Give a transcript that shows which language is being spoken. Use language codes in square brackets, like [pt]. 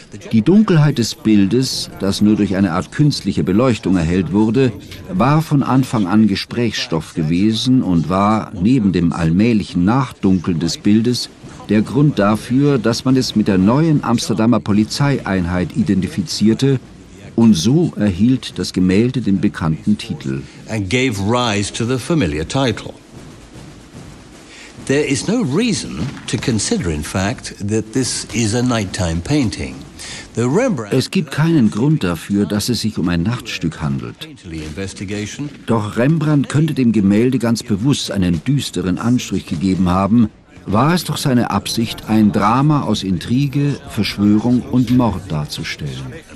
[de] Die Dunkelheit des Bildes, das nur durch eine Art künstliche Beleuchtung erhellt wurde, war von Anfang an Gesprächsstoff gewesen und war, neben dem allmählichen Nachdunkeln des Bildes, der Grund dafür, dass man es mit der neuen Amsterdamer Polizeieinheit identifizierte, und so erhielt das Gemälde den bekannten Titel. [en] And gave rise to the familiar title. There is no reason to consider, in fact, that this is a nighttime painting. [de] Es gibt keinen Grund dafür, dass es sich um ein Nachtstück handelt. Doch Rembrandt könnte dem Gemälde ganz bewusst einen düsteren Anstrich gegeben haben, war es doch seine Absicht, ein Drama aus Intrige, Verschwörung und Mord darzustellen.